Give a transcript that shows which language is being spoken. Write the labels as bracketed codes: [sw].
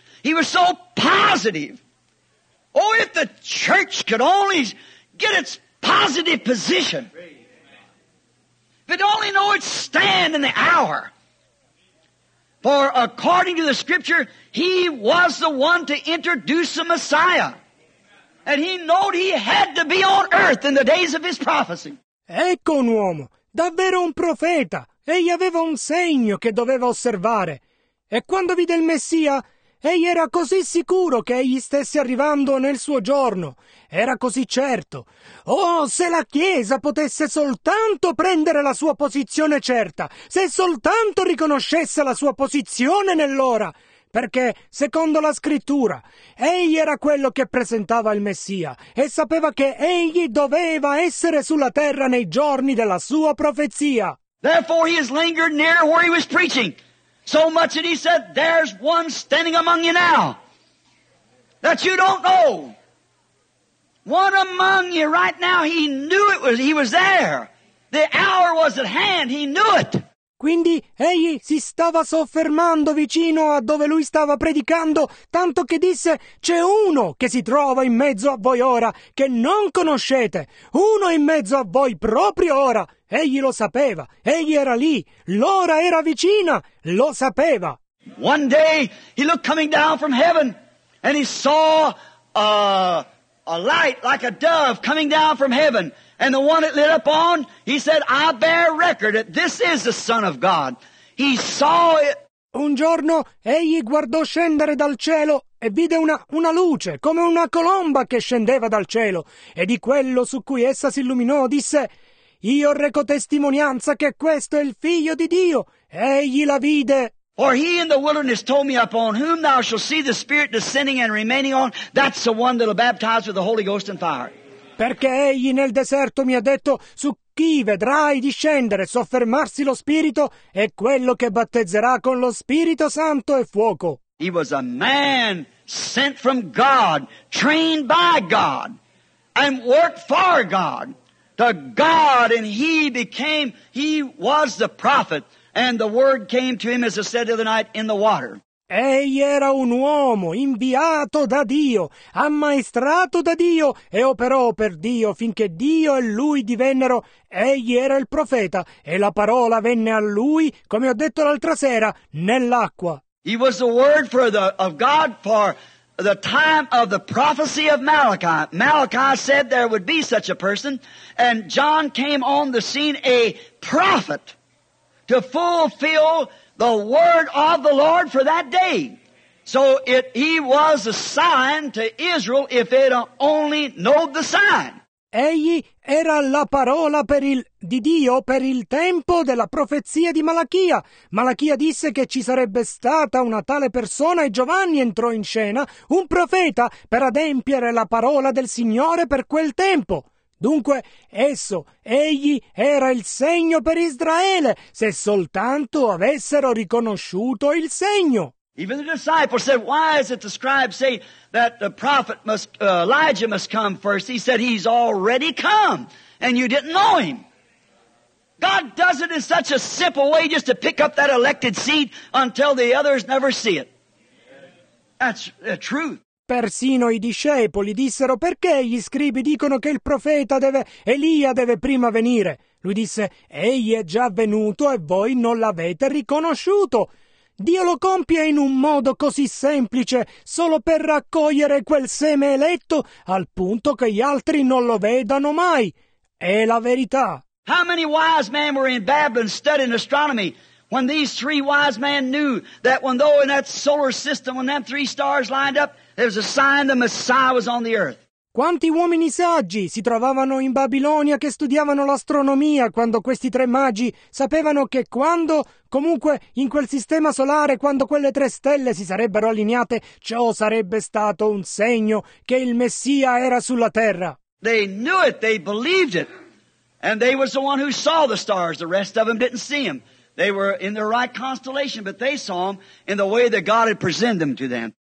[en] He was so positive. Oh, if the church could only get its positive position. If it only know its stand in the hour. For according to the scripture, he was the one to introduce the Messiah. And he knowed he had to be on earth in the days of his prophecy. [it] Ecco un uomo, davvero un profeta, egli aveva un segno che doveva osservare. E quando vide il Messia, egli era così sicuro che egli stesse arrivando nel suo giorno, era così certo. Oh, se la Chiesa potesse soltanto prendere la sua posizione certa, se soltanto riconoscesse la sua posizione nell'ora, perché, secondo la Scrittura, egli era quello che presentava il Messia e sapeva che egli doveva essere sulla terra nei giorni della sua profezia. [en] Therefore he has lingered near where he was preaching, so much that he said, there's one standing among you now that you don't know. One among you right now, he knew it was, he was there. The hour was at hand, he knew it. [it] Quindi egli si stava soffermando vicino a dove lui stava predicando, tanto che disse, c'è uno che si trova in mezzo a voi ora, che non conoscete, uno in mezzo a voi proprio ora. Egli lo sapeva, egli era lì, l'ora era vicina, lo sapeva. [en] One day he looked coming down from heaven and he saw a light like a dove coming down from heaven. And the one it lit up on, he said, I bear record that this is the Son of God. He saw it. [it] Un giorno egli guardò scendere dal cielo e vide una luce, come una colomba che scendeva dal cielo. E di quello su cui essa si illuminò disse, io reco testimonianza che questo è il Figlio di Dio. Egli la vide. [en] For he in the wilderness told me, upon whom thou shalt see the Spirit descending and remaining on, that's the one that'll baptize with the Holy Ghost and fire. [it] Perché egli nel deserto mi ha detto, su chi vedrai discendere e soffermarsi lo Spirito, è quello che battezzerà con lo Spirito Santo e fuoco. [en] He was a man sent from God, trained by God, and worked for God. The God, and he became, he was the prophet, and the word came to him, as I said the other night, in the water. [it] Egli era un uomo inviato da Dio, ammaestrato da Dio e operò per Dio finché Dio e lui divennero. Egli era il profeta e la parola venne a lui, come ho detto l'altra sera, nell'acqua. [en] He was the word for the, of God for the time of the prophecy of Malachi. Malachi said there would be such a person, and John came on the scene a prophet to fulfill the word of the Lord for that day. So it, he was a sign to Israel if it only know the sign. [it] Egli era la parola per il, di Dio per il tempo della profezia di Malachia. Malachia disse che ci sarebbe stata una tale persona e Giovanni entrò in scena, un profeta, per adempiere la parola del Signore per quel tempo. Dunque, esso, egli, era il segno per Israele, se soltanto avessero riconosciuto il segno. [en] Even the disciples said, why is it the scribes say that the prophet must, Elijah must come first? He said, he's already come, and you didn't know him. God does it in such a simple way just to pick up that elected seed until the others never see it. That's the truth. [it] Persino i discepoli dissero: perché gli scribi dicono che il profeta deve, Elia deve prima venire? Lui disse: egli è già venuto e voi non l'avete riconosciuto. Dio lo compie in un modo così semplice, solo per raccogliere quel seme eletto, al punto che gli altri non lo vedano mai. È la verità. [en] How many wise men were in Babylon studying astronomy when these three wise men knew that when though in that solar system when them three stars lined up, there was a sign the Messiah was on the earth? [it] Quanti uomini saggi si trovavano in Babilonia che studiavano l'astronomia quando questi tre magi sapevano che quando, comunque, in quel sistema solare, quando quelle tre stelle si sarebbero allineate, ciò sarebbe stato un segno che il Messia era sulla Terra. [en] They knew it, they believed it, and they was the one who saw the stars, the rest of them didn't see them. They were in the right constellation, but they saw them in the way that God had presented them to them.